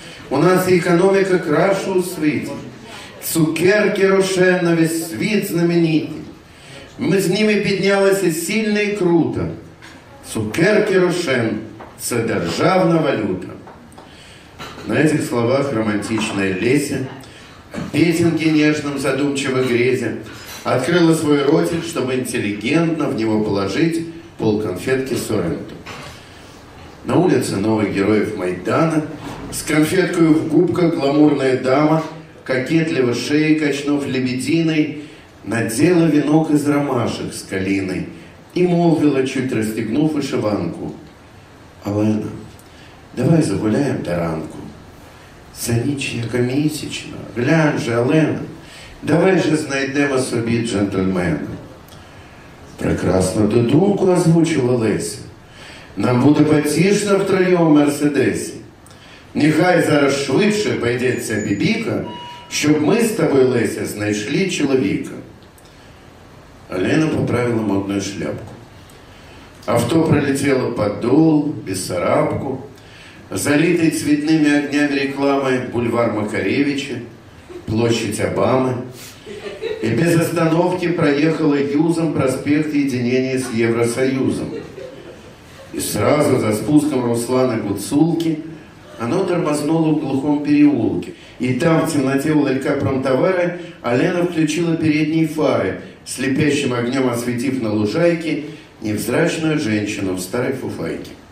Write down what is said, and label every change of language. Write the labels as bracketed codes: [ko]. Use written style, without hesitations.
[uk] У нас економіка краща у світі, цукерки Роше на весь світ знамениті. Ми з ними піднялися сильно і круто. Цукерки Роше – це державна валюта. На цих словах романтична Леся, [ru] песенки нежным задумчиво грезя, открыла свой ротик, чтобы интеллигентно в него положить полконфетки Соренто. На улице новых героев Майдана с конфеткой в губках гламурная дама, кокетливо шеей качнув лебединой, надела венок из ромашек с калиной и молвила, чуть расстегнув вышиванку: «Алена, давай загуляем до ранку. [uk] Це ніч яка місячна, глянь же, Алена, давай же знайдемо собі джентльмена». «Прекрасно додумку», – озвучила Леся. «Нам буде потішно втроєм у Мерседесі. Нехай зараз швидше пойдеться бібіка, щоб ми з тобою, Леся, знайшли чоловіка». Алена поправила модну шляпку. Авто пролетіло подол, Бессарабку, залитий цвітними огнями реклами бульвар Макаревича, площадь Обами, і без остановки проїхала юзом проспект єдинення з Євросоюзом. [ru] И сразу за спуском Руслана Гуцулки оно тормознуло в глухом переулке. И там, в темноте у ларька промтовара, Алена включила передние фары, слепящим огнем осветив на лужайке невзрачную женщину в старой фуфайке.